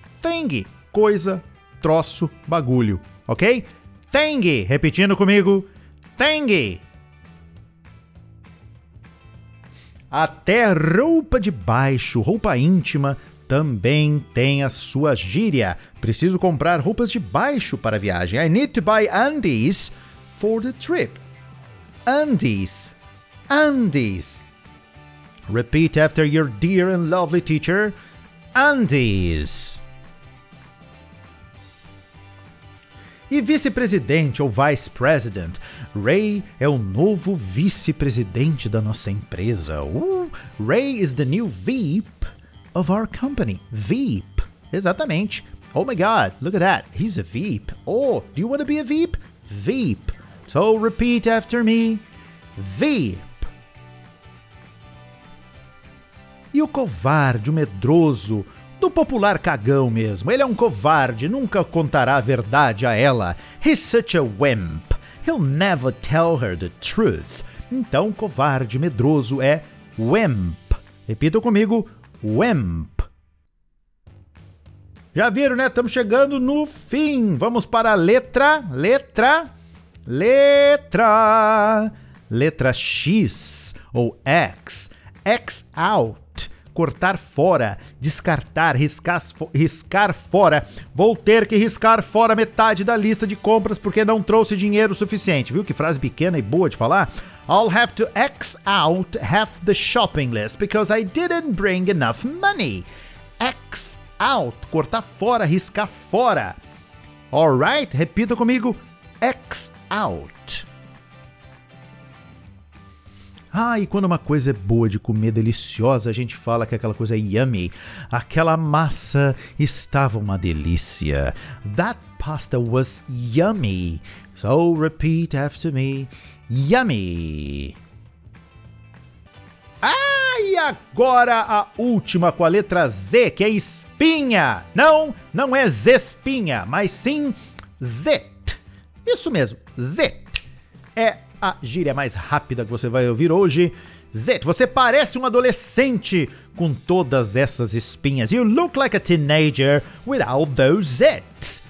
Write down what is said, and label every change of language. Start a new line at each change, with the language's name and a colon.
Portuguese: Thing, coisa, troço, bagulho, ok? Thing, repetindo comigo. Thing. Até roupa de baixo, roupa íntima, também tem a sua gíria. Preciso comprar roupas de baixo para a viagem.
English: I need to buy undies for the trip. Undies. Undies. Repeat after your dear and lovely teacher. Undies.
Portuguese: E vice-presidente ou vice president? Ray é o novo vice-presidente da nossa empresa.
English: Ray is the new VP of our company. VP. Exatamente. Oh my God, look at that. He's a VP. Oh, do you want to be a VP? VP. So repeat after me. VP.
Portuguese: E o covarde, o medroso, do popular cagão mesmo. Ele é um covarde, nunca contará a verdade a ela.
English: He's such a wimp. He'll never tell her the truth.
Portuguese: Então, covarde, medroso é wimp. Repita comigo, wimp. Já viram, né? Estamos chegando no fim. Vamos para a letra, letra, letra. Letra X ou X. X out. Cortar fora, descartar, riscar fora. Vou ter que riscar fora metade da lista de compras porque não trouxe dinheiro suficiente. Viu que frase pequena e boa de falar?
English: I'll have to X out half the shopping list because I didn't bring enough money.
Portuguese: X out. Cortar fora, riscar fora. Alright, repita comigo. X out. Ah, e quando uma coisa é boa de comer, deliciosa, a gente fala que aquela coisa é yummy. Aquela massa estava uma delícia.
English: That pasta was yummy. So repeat after me. Yummy.
Portuguese: Ah, e agora a última com a letra Z, que é espinha. Não, não é zespinha, mas sim zit. Isso mesmo, zit. É a gíria mais rápida que você vai ouvir hoje. Zit, você parece um adolescente com todas essas espinhas.
English: You look like a teenager with all those zits.